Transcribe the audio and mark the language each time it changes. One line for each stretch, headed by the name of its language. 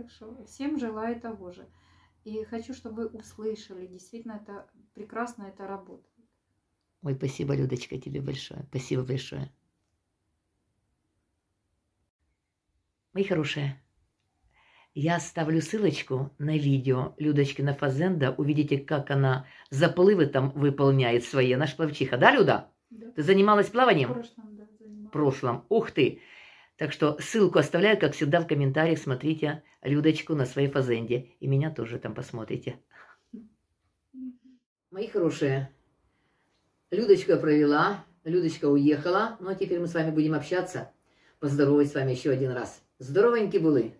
Russian: Так что всем желаю того же. И хочу, чтобы вы услышали, действительно, это прекрасно, это работает. Ой, спасибо, Людочка, тебе большое. Спасибо большое. Мои хорошие, Я ставлю ссылочку
Ukrainian: на відео
Russian: Людочкина фазенда. Увидите,
Ukrainian: як вона запливи там виконує своє.
Russian: Наш плавчиха. Да, Люда? Да.
Ukrainian: Ти займалась плаванням?
Russian: В прошлом, да, займалась. В прошлом. Ух ти! Так что ссылку оставляю, как всегда, в комментариях. Смотрите Людочку на своей фазенде. И меня тоже там посмотрите. Мои хорошие, Людочку я провела, Людочка уехала. Ну, а теперь мы с вами будем общаться. Поздороваюсь с вами еще один раз. Здоровеньки были.